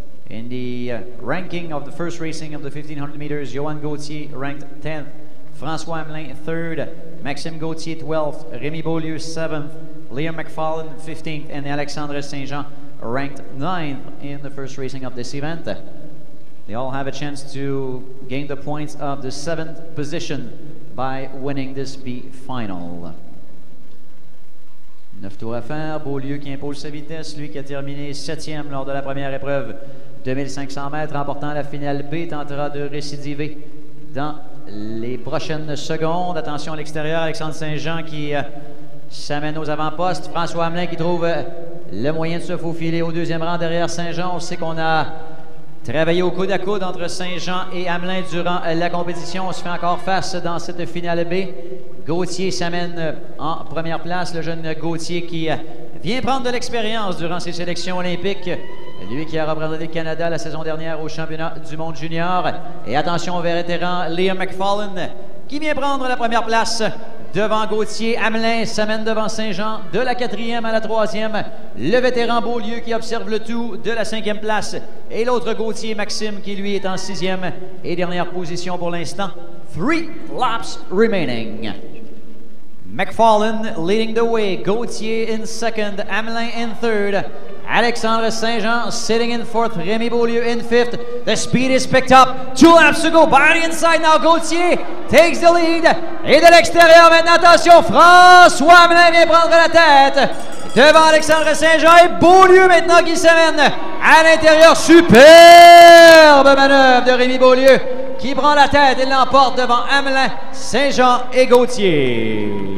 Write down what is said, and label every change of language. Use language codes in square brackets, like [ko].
[en] In the ranking of the first racing of the 1500 meters, Johan Gauthier ranked 10th, François Hamelin 3rd, Maxime Gauthier 12th, Rémi Beaulieu 7th, Liam McFarlane 15th, and Alexandre Saint-Jean ranked 9th in the first racing of this event. They all have a chance to gain the points of the 7th position by winning this B final. [fr] 9 tours à faire, Beaulieu qui impose sa vitesse, lui qui a terminé 7e lors de la première épreuve. 2500 mètres, remportant la finale B, tentera de récidiver dans les prochaines secondes. Attention à l'extérieur, Alexandre Saint-Jean qui s'amène aux avant-postes. François Hamelin qui trouve le moyen de se faufiler au deuxième rang derrière Saint-Jean. On sait qu'on a travaillé au coude à coude entre Saint-Jean et Hamelin durant la compétition. On se fait encore face dans cette finale B. Gauthier s'amène en première place. Le jeune Gauthier qui vient prendre de l'expérience durant ses sélections olympiques. Lui qui a représenté le Canada la saison dernière au championnat du monde junior. Et attention au vétéran Liam McFarlane qui vient prendre la première place devant Gauthier Hamelin, s'amène devant Saint-Jean de la quatrième à la troisième. Le vétéran Beaulieu qui observe le tout de la cinquième place. Et l'autre Gauthier Maxime qui lui est en sixième et dernière position pour l'instant. [en] Three laps remaining. McFarlane leading the way, Gauthier in second, Hamelin in third. Alexandre Saint-Jean sitting in fourth, Rémi Beaulieu in fifth. The speed is picked up, two laps to go, body inside now, Gauthier takes the lead. [fr] Et de l'extérieur maintenant, attention, François Hamelin vient prendre la tête devant Alexandre Saint-Jean et Beaulieu maintenant qui s'amène à l'intérieur. Superbe manœuvre de Rémi Beaulieu qui prend la tête et l'emporte devant Hamelin, Saint-Jean et Gauthier.